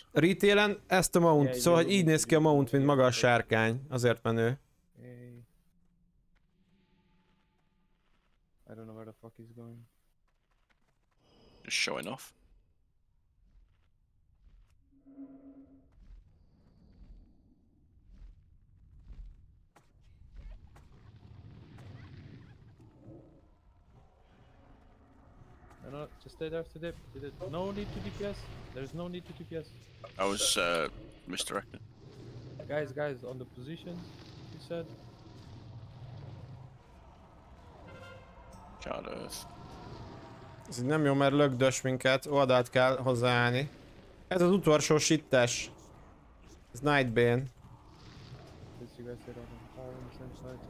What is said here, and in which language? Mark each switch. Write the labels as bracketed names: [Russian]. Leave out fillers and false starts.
[Hungarian] retailen ezt a mount, yeah, szóval így néz ki a mount, mint maga a sárkány, azért menő. [English] I don't know where the fuck he's going. Just showing off. No, just stay there, stay there. No need to DPS. There's no need to DPS. I was misdirected. Guys, guys, on the position, you said. God Earth. [Hungarian] Ez nem jó, mert lögdös minket. Oldalt kell hozzáállni. Ez az utolsó sittes. Ez Nightbane. [English] Did you guys get on the fire on the same side?